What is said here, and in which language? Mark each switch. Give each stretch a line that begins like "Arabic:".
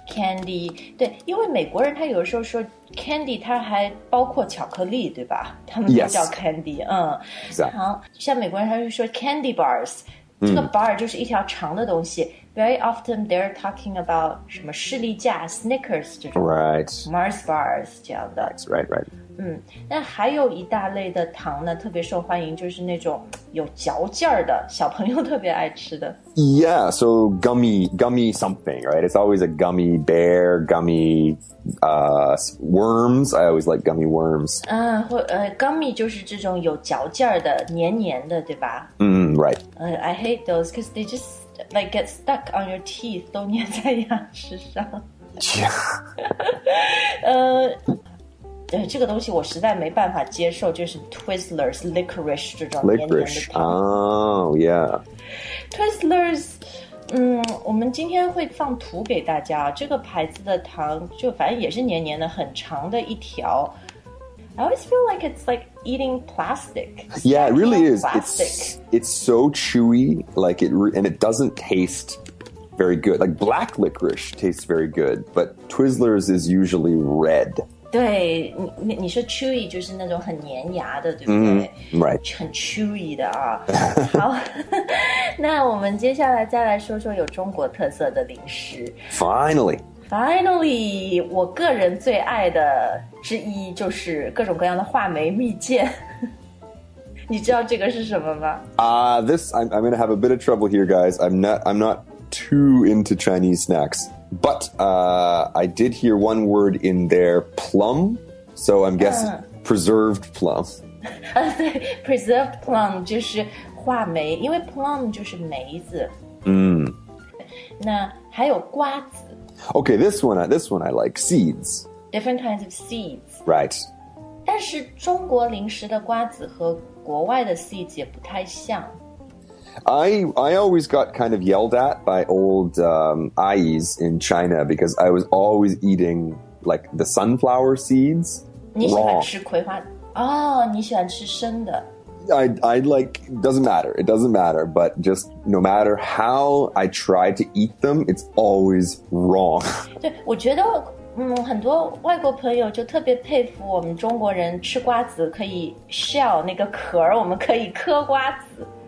Chinese: Candy. 对，因为美国人他有时候说 candy, 他还包括巧克力，对吧？他们都叫 candy.
English: Yes. Exactly.
Chinese: 像美国人他就说 candy bars. 这个 bar 就是一条长的东西。
English: Very often they're talking about
Chinese: 什么士力架
English: Snickers
Chinese: 这种
English: Right
Chinese: Mars bars 这样的
English: That's right, right
Chinese: 那还有一大类的糖呢特别受欢迎就是那种有嚼劲儿的小朋友特别爱吃的
English: Yeah, so gummy something, right? It's always a gummy bear, gummy worms I always like gummy worms
Chinese: gummy 就是这种有嚼劲儿的黏黏的对吧
English: right I hate those because they justLike get stuck on your teeth,
Chinese: 都粘在牙齿上。
English: Yeah.
Chinese: 这个东西我实在没办法接受，就是 Twizzlers, licorice 这种黏黏的糖。
English: Oh, yeah.
Chinese: Twizzlers, 我们今天会放图给大家。这个牌子的糖就反正也是黏黏的，很长的一条。
English: I always feel like it's like eating plastic. Yeah, it really is. It's so chewy, like and it doesn't taste very good. Like black licorice tastes very good, but Twizzlers is usually red.
Chinese: 对，你说 chewy 就是那种很粘牙的，对不对？Mm-hmm,
English: right.
Chinese: 很 chewy 的啊。好，那我们接下来再来说说有中国特色的零食。
English: Finally,
Chinese: 我个人最爱的之一就是各种各样的话梅蜜饯。你知道这个是什么吗？
English: This, I'm going to have a bit of trouble here, guys. I'm not too into Chinese snacks. But I did hear one word in there, plum. So I'm guessing preserved plum.
Chinese: preserved plum 就是话梅，因为 plum 就是梅子。那还有瓜子。
English: Okay, this one I like, seeds. Different kinds of seeds. Right.
Chinese: 但是中国零食的瓜子和国外的 seeds 也不太像。
English: I always got kind of yelled at by old aunties in China because I was always eating like the sunflower seeds.
Chinese: 你喜欢吃葵花？哦，你喜欢吃生的。
English: I like, it doesn't matter, but just no matter how I try to eat them, it's always wrong.
Chinese: 对，我觉得很多外国朋友就特别佩服我们中国人吃瓜子可以 shell 那个壳，我们可以嗑瓜子。